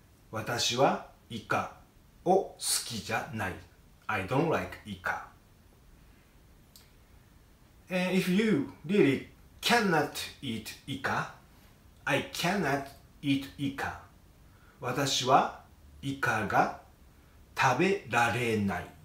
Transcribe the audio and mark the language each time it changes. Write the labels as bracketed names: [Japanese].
[Japanese] 私はイカを好きじゃない。 [English] I don't like イカ。 And if you really cannot eat イカ, I cannot eat イカ。 [Japanese] 私はイカが食べられない。